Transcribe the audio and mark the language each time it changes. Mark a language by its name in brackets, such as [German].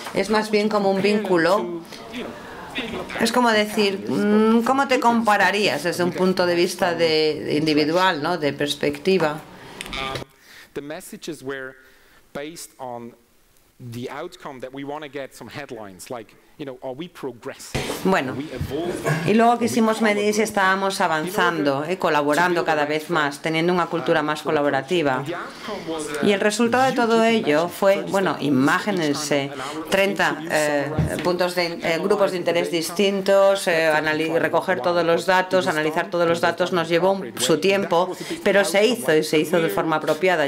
[Spanish] Es más bien como un vínculo. Es como decir, ¿cómo te compararías desde un punto de vista de individual, ¿no? De perspectiva. [English] The messages were based on the outcome that we want to get some headlines, like, you know, are we progressing? [Spanish] Bueno, y luego quisimos medir si estábamos avanzando, colaborando cada vez más, teniendo una cultura más colaborativa. Y el resultado de todo ello fue, bueno, imagínense, 30 puntos de grupos de interés distintos, recoger todos los datos, analizar todos los datos, nos llevó su tiempo, pero se hizo, y se hizo de forma apropiada.